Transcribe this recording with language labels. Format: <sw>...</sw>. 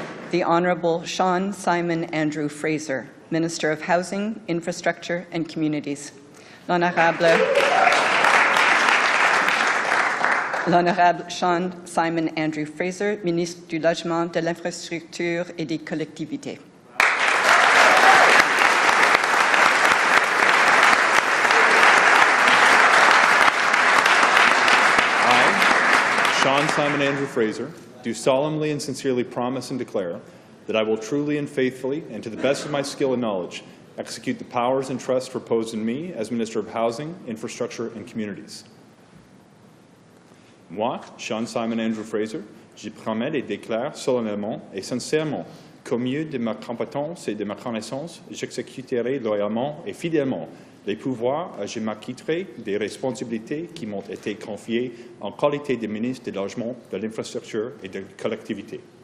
<en>The Honourable Sean Simon Andrew Fraser, Minister of Housing, Infrastructure and Communities.</en> <fr>L'Honorable Sean Simon Andrew Fraser, Ministre du Logement, de l'Infrastructure et des Collectivités.</fr> <en>I, Sean Simon Andrew Fraser, do solemnly and sincerely promise and declare that I will truly and faithfully, and to the best of my skill and knowledge, execute the powers and trust reposed in me as Minister of Housing, Infrastructure and Communities.</en> <fr>Moi, Sean Simon Andrew Fraser, je promets et déclare solennellement et sincèrement qu'au mieux de ma compétence et de ma connaissance, j'exécuterai loyalement et fidèlement les pouvoirs et je m'acquitterai des responsabilités qui m'ont été confiées en qualité de ministre des Logements, de l'Infrastructure et des Collectivités.</fr>